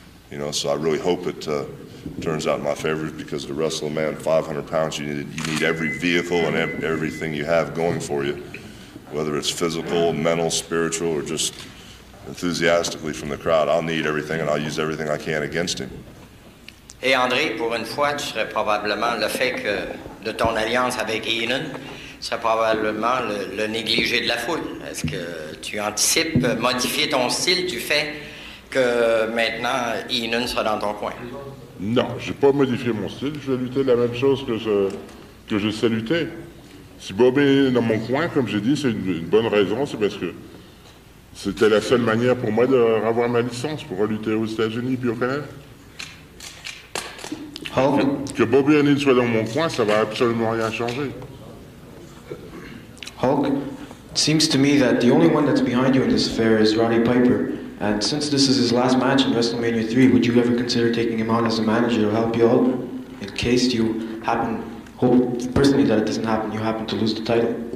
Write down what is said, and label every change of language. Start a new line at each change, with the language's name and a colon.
English: You know, so I really hope it turns out in my favor, because to wrestle a man 500 pounds, you need every vehicle and everything you have going for you, whether it's physical, mental, spiritual, or just enthusiastically from the crowd. I'll need everything, and I'll use everything I can against him.
French: Et André, pour une fois, tu serais probablement le fait que de ton alliance avec Heenan serait probablement le négligé de la foule. Est-ce que tu anticipes modifier ton style du fait que maintenant Heenan sera dans ton coin? Non, j'ai pas modifié mon style. Je vais lutter de la même chose que je sais lutter. Si Bob est dans mon coin, comme j'ai dit, c'est une bonne raison. C'est parce que c'était la seule manière pour moi d'avoir ma licence pour lutter aux États-Unis puis au Canada. Hulk? Que Bobby Heenan soit dans mon coin, ça va absolument rien changer.
English: Hulk, it seems to me that the only one that's behind you in this affair is Roddy Piper. And since this is his last match in WrestleMania 3, would you ever consider taking him on as a manager to help you out in case you happen, hope personally that it doesn't happen, you happen to lose the title?